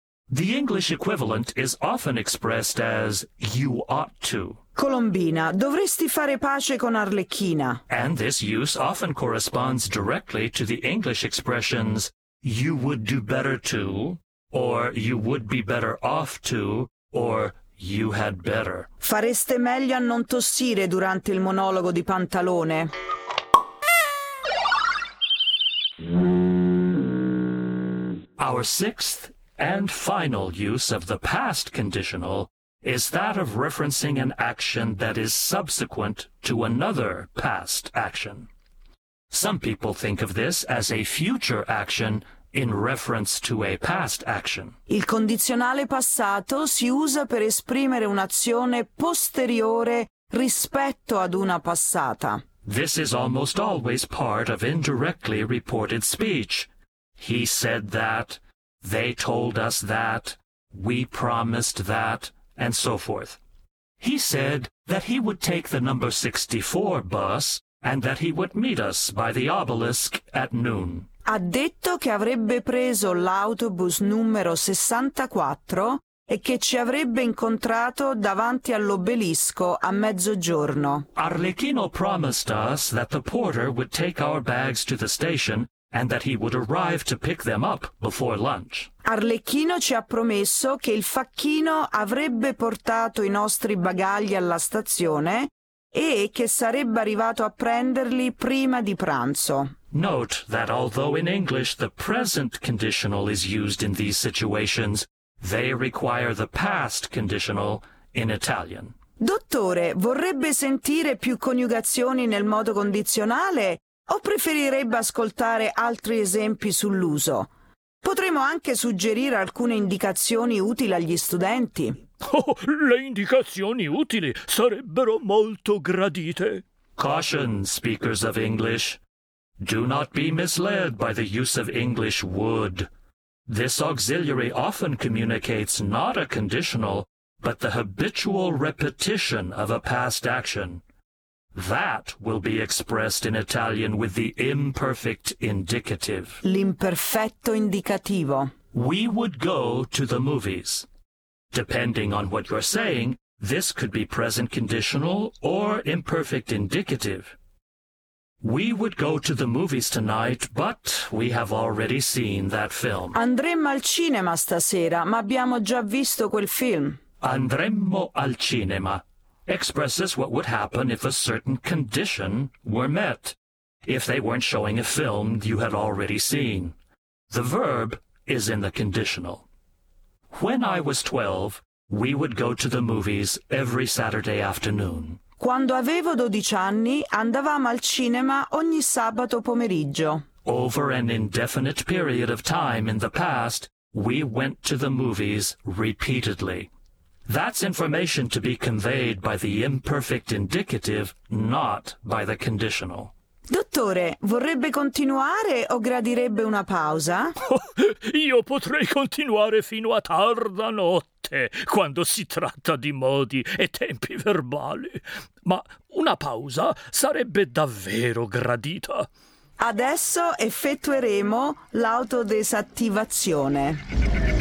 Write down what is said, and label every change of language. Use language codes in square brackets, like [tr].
[en] The English equivalent is often expressed as you ought to. [it] Colombina, dovresti fare pace con Arlecchina. [en] And this use often corresponds directly to the English expressions you would do better to, or you would be better off to, or you had better. [it] Fareste meglio a non tossire durante il monologo di Pantalone. [en] Our sixth and final use of the past conditional is that of referencing an action that is subsequent to another past action. Some people think of this as a future action in reference to a past action. [it] Il condizionale passato si usa per esprimere un'azione posteriore rispetto ad una passata. [en] This is almost always part of indirectly reported speech. He said that, they told us that, we promised that, and so forth. He said that he would take the number 64 bus and that he would meet us by the obelisk at noon. [it] Ha detto che avrebbe preso l'autobus numero 64 e che ci avrebbe incontrato davanti all'obelisco a mezzogiorno. [en] Arlecchino promised us that the porter would take our bags to the station and that he would arrive to pick them up before lunch. [it] Arlecchino ci ha promesso che il facchino avrebbe portato i nostri bagagli alla stazione e che sarebbe arrivato a prenderli prima di pranzo. [en] Note that although in English the present conditional is used in these situations, they require the past conditional in Italian. [it] Dottore, vorrebbe sentire più coniugazioni nel modo condizionale o preferirebbe ascoltare altri esempi sull'uso? Potremmo anche suggerire alcune indicazioni utili agli studenti. Oh, le indicazioni utili sarebbero molto gradite. [en] Caution, speakers of English. Do not be misled by the use of English would. This auxiliary often communicates not a conditional, but the habitual repetition of a past action. That will be expressed in Italian with the imperfect indicative. [it] L'imperfetto indicativo. [en] We would go to the movies. Depending on what you're saying, this could be present conditional or imperfect indicative. We would go to the movies tonight, but we have already seen that film. [it] Andremmo al cinema stasera, ma abbiamo già visto quel film. Andremmo al cinema [en] expresses what would happen if a certain condition were met, if they weren't showing a film you had already seen. The verb is in the conditional. When I was 12, we would go to the movies every Saturday afternoon. [it] Quando avevo 12 anni, andavamo al cinema ogni sabato pomeriggio. [en] Over an indefinite period of time in the past, we went to the movies repeatedly. That's information to be conveyed by the imperfect indicative, not by the conditional. [it] Dottore, vorrebbe continuare o gradirebbe una pausa? Io potrei continuare fino a tarda notte, quando si tratta di modi e tempi verbali. Ma una pausa sarebbe davvero gradita. Adesso effettueremo l'autodesattivazione.